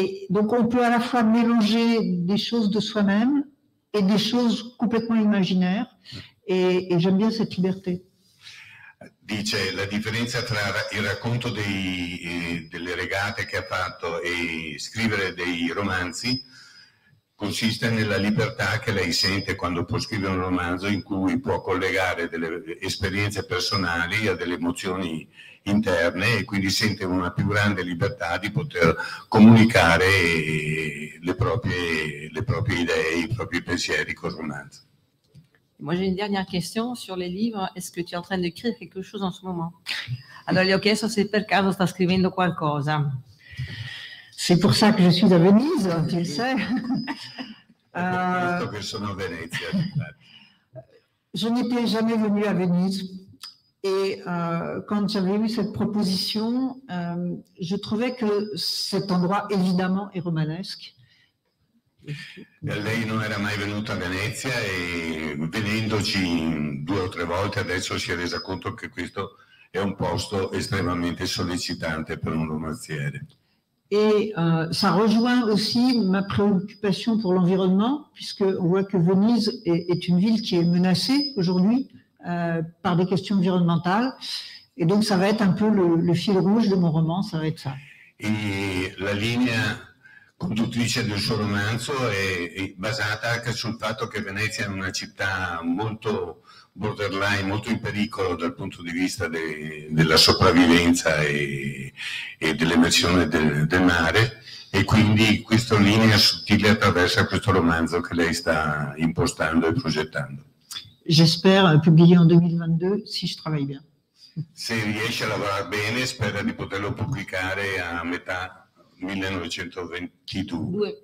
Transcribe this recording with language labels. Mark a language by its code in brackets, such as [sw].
[fr] Donc on peut à la fois mélanger des choses de soi-même et des choses complètement imaginaires, et j'aime bien cette liberté. [it] Dice, la differenza tra il racconto delle regate che ha fatto e scrivere dei romanzi consiste nella libertà che lei sente quando può scrivere un romanzo in cui può collegare delle esperienze personali a delle emozioni interne e quindi sente una più grande libertà di poter comunicare le proprie idee, i propri pensieri con il romanzo. [fr] Moi j'ai une dernière question sur les livres. Est-ce que tu es en train de écrire quelque chose en ce moment? [it] Allora gli ho chiesto se per caso sta scrivendo qualcosa. [fr] C'est pour ça que je suis à Venise, tu le sais. Pour ça que je suis à Venise. Je n'étais jamais venue à Venise. Et quand j'avais eu cette proposition, je trouvais que cet endroit, évidemment, est romanesque. [it] Lei non era mai venuta a Venezia e venendoci due o tre volte adesso si è resa conto che questo è un posto estremamente sollecitante per un romanziere. [fr] Et ça rejoint aussi ma préoccupation pour l'environnement, puisque on voit que Venise est une ville qui est menacée aujourd'hui par des questions environnementales. Et donc ça va être un peu le fil rouge de mon roman, ça va être ça. Et la ligne [it] conduttrice del suo romanzo è basata anche sul fatto che Venezia è una città molto borderline, molto in pericolo dal punto di vista della sopravvivenza e dell'emersione del mare e quindi questa linea sottile attraversa questo romanzo che lei sta impostando e progettando. [fr] J'espère publier en 2022 si je travaille bien. [it] Se riesce a lavorare bene spera di poterlo pubblicare a metà 1922.